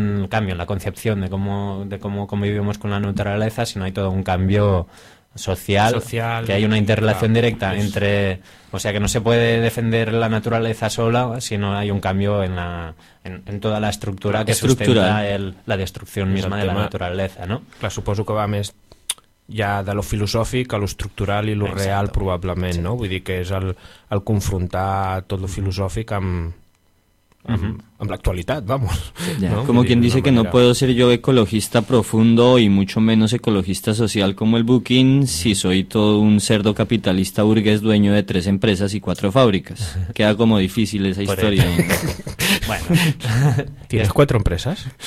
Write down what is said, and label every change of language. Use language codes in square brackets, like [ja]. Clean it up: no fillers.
[es] cambio en la concepción de cómo convivimos con la naturaleza, si no hay todo un cambio social, que hay una interrelación directa entre, o sea, que no se puede defender la naturaleza sola si no hay un cambio en toda la estructura que sustenta la destrucción misma de la naturaleza, ¿no? [ca] Clar, suposo que va més ja de lo filosòfic a lo estructural i lo real, probablement, no? Vull dir que és el confrontar tot lo filosòfic amb l'actualitat, vamos. [es] Ya, ¿no? Como quien dice que no puedo ser yo ecologista profundo y mucho menos ecologista social como el Bookchin si soy todo un cerdo capitalista burgués dueño de 3 empresas y 4 fábricas. Queda como difícil esa historia. Bueno, ¿tienes 4 empresas?